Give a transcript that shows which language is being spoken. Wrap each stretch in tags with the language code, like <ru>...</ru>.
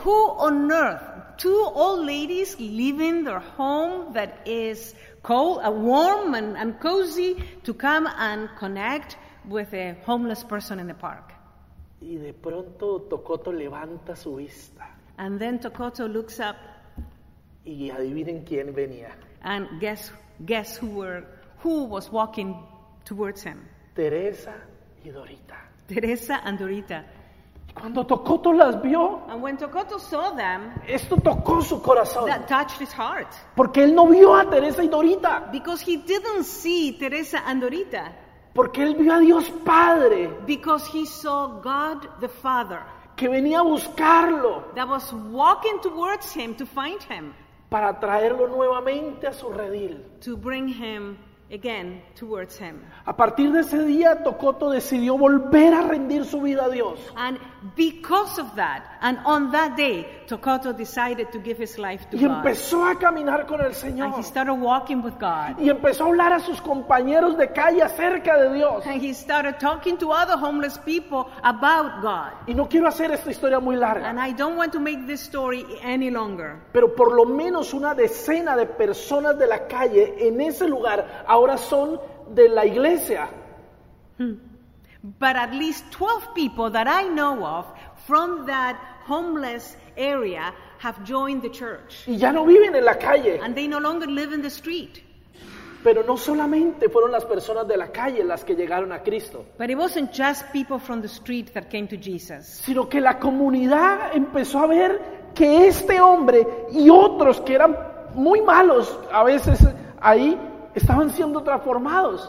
<en>Who on earth? Two old ladies leaving their home that is cold, warm and cozy to come and connect with a homeless person in the park.</en> <es>Y de pronto Tokoto levanta su vista.</es> <en>And then Tokoto looks up.</en> <es>Y adivinen quién venía.</es> <en>And guess who was walking towards him.</en> <es>Teresa y Dorita.</es> <en>Teresa and Dorita.</en> <es>Y cuando Tokoto las vio.</es> <en>And when Tokoto saw them.</en> <es>Esto tocó su corazón.</es> <en>That touched his heart.</en> <es>Porque él no vio a Teresa y Dorita.</es> <en>Because he didn't see Teresa and Dorita.</en> <es>Porque él vio a Dios Padre.</es> <en>Because he saw God the Father.</en> <es>Que venía a buscarlo.</es> <en>That was walking towards him to find him.</en> <es>Para traerlo nuevamente a su redil.</es> <en>To bring him again towards him.</en> <es>A partir de ese día, Tokoto decidió volver a rendir su vida a Dios.</es> <en>And because of that, and on that day, Tokoto decided to give his life to God.</en> <es>Y empezó a caminar con el Señor.</es> <en>And he started walking with God.</en> <es>Y empezó a hablar a sus compañeros de calle acerca de Dios.</es> <en>And he started talking to other homeless people about God.</en> <es>Y no quiero hacer esta historia muy larga.</es> <en>And I don't want to make this story any longer.</en> <es>Pero por lo menos una decena de personas de la calle en ese lugar ahora son de la iglesia.</es> <en>But at least 12 people that I know of from that homeless area have joined the church.</en> <es>Y ya no viven en la calle.</es> <en>And they no longer live in the street.</en> <es>Pero no solamente fueron las personas de la calle las que llegaron a Cristo.</es> <en>But it wasn't just people from the street that came to Jesus.</en> <es>Sino que la comunidad empezó a ver que este hombre y otros que eran muy malos a veces ahí estaban siendo transformados.</es>